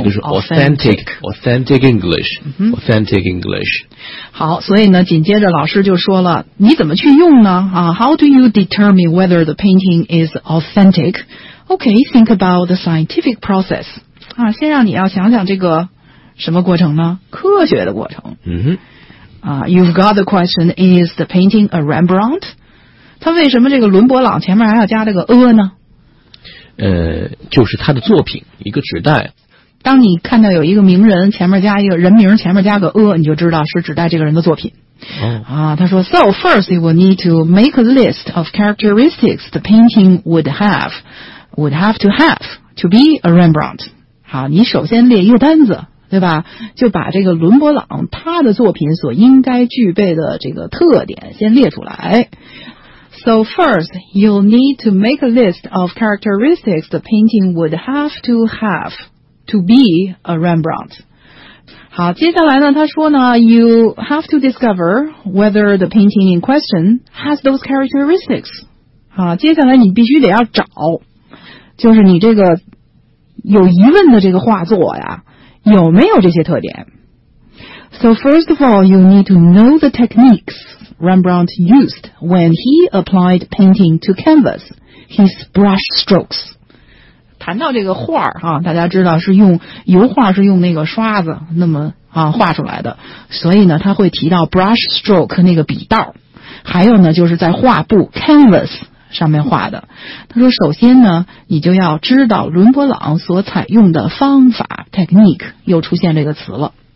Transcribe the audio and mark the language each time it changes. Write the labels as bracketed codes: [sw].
[zh] 也就是 [en] authentic， authentic English， authentic English。 [zh] 好，所以呢，紧接着老师就说了，你怎么去用呢？ [en] 啊、how do you determine whether the painting is authentic？ Okay， think about the scientific process。 [zh] 啊，先让你要想想这个什么过程呢？科学的过程。嗯哼。 [en] 啊、you've got the question: Is the painting a Rembrandt？ [zh] 他为什么这个伦勃朗前面还要加这个呢？就是他的作品一个指代。当你看到有一个名人前面加一个人名前面加个你就知道是指代这个人的作品。 Oh. 啊，他说 ， [en] So first you will need to make a list of characteristics the painting would have to have to be a Rembrandt。 [zh] 好，你首先列一个单子。对吧？就把这个伦勃朗他的作品所应该具备的这个特点先列出来。 [en] So first, you'll need to make a list of characteristics the painting would have to be a Rembrandt. [zh] 好，接下来呢，他说呢 ， [en] you have to discover whether the painting in question has those characteristics. [zh] 好，接下来你必须得要找，就是你这个有疑问的这个画作呀，有没有这些特点 ？ [en] So first of all, you need to know the techniques. Rembrandt used when he applied painting to canvas his brush strokes [zh] 谈到这个画、啊、大家知道是用油画是用那个刷子那么、啊、画出来的所以呢他会提到 brush stroke 那个笔道还有呢就是在画布 canvas 上面画的他说首先呢你就要知道伦勃朗所采用的方法 technique 又出现这个词了